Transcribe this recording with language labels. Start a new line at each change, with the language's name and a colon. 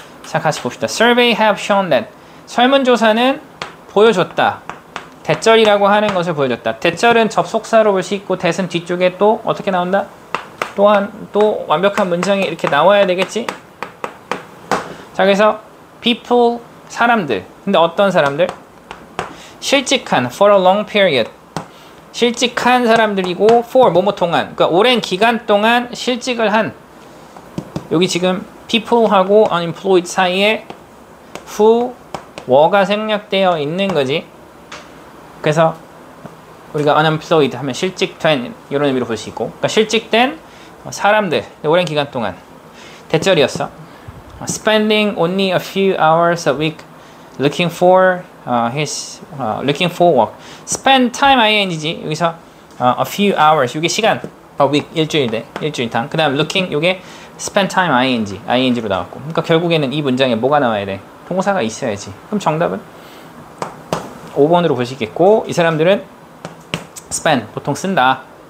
Korean: 자, 같이 봅시다.
English: survey have shown that.
Korean: 설문조사는 보여줬다. 대절이라고 하는 것을 보여줬다. 대절은 접속사로 볼 수 있고 that은 뒤쪽에 또 어떻게 나온다? 또한 또 완벽한 문장이 이렇게 나와야 되겠지? 자, 그래서 people, 사람들. 근데 어떤 사람들? 실직한,
English: for a long period.
Korean: 실직한 사람들이고 for, 뭐뭐 동안. 그러니까 오랜 기간 동안 실직을 한. 여기 지금 people하고 unemployed 사이에 who, were가 생략되어 있는 거지. 그래서 우리가 unemployed 하면 실직된 이런 의미로 볼 수 있고, 그러니까 실직된 사람들, 오랜 기간 동안 대절이었어.
English: Spending only a few hours a week looking for looking for work.
Korean: Spend time ing지. 여기서 a few hours, 이게 시간. A week, 일주일대, 일주일당. 그 다음 looking, 이게 spend time ing, ing로 나왔고. 그러니까 결국에는 이 문장에 뭐가 나와야 돼? 동사가 있어야지. 그럼 정답은? 5번으로 보시겠고, 이 사람들은 spend, 보통 쓴다.